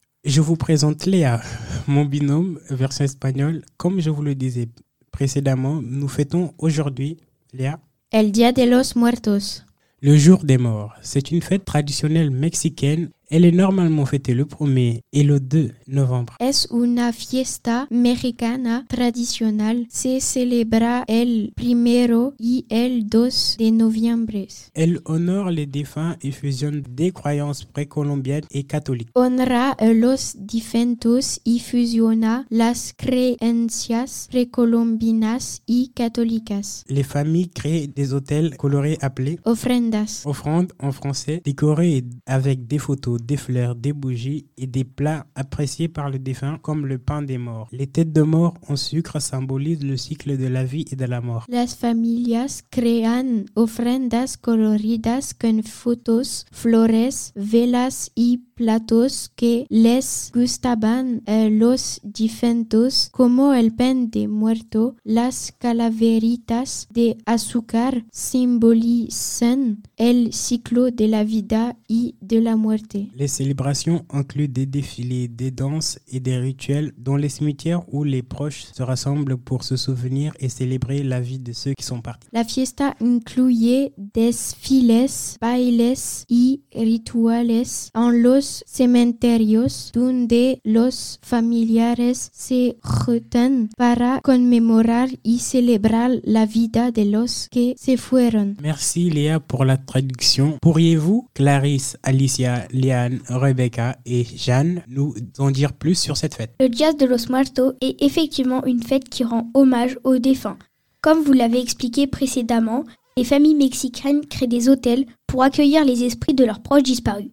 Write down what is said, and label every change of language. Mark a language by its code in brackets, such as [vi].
[fr] Je vous présente Léa, mon binôme, version espagnole. Comme je vous le disais précédemment, nous fêtons aujourd'hui, Léa. [es] El Día de los Muertos. [fr] Le jour des morts, c'est une fête traditionnelle mexicaine. Elle est normalement fêtée le 1er et le 2 novembre. [es] Es una fiesta mexicana tradicional. Se celebra el 1 y el 2 de noviembre. [fr] Elle honore les défunts et fusionne des croyances précolombiennes et catholiques. [es] Honra a los difuntos y fusiona las creencias precolombinas y católicas. [fr] Les familles créent des autels colorés appelés [es] ofrendas. [fr] Offrandes en français, décorées avec des photos, des fleurs, des bougies et des plats appréciés par le défunt comme le pain des morts. Les têtes de mort en sucre symbolisent le cycle de la vie et de la mort. [es] Las familias crean ofrendas coloridas con fotos, flores, velas y platos que les gustaban a los difuntos como el pan de muerto. Las calaveritas de azúcar simbolizan el ciclo de la vida y de la muerte. [fr] Les célébrations incluent des défilés, des danses et des rituels dans les cimetières où les proches se rassemblent pour se souvenir et célébrer la vie de ceux qui sont partis. [es] La fiesta incluye desfiles, bailes y rituales en los cementerios donde los familiares se juntan para conmemorar y celebrar la vida de los que se fueron. [fr] Merci Léa pour la traduction. Pourriez-vous, Clarisse, Alicia, Léa, Rebecca et Jeanne nous en dire plus sur cette fête. Le Día de los Muertos est effectivement une fête qui rend hommage aux défunts. Comme vous l'avez expliqué précédemment, les familles mexicaines créent des hôtels pour accueillir les esprits de leurs proches disparus.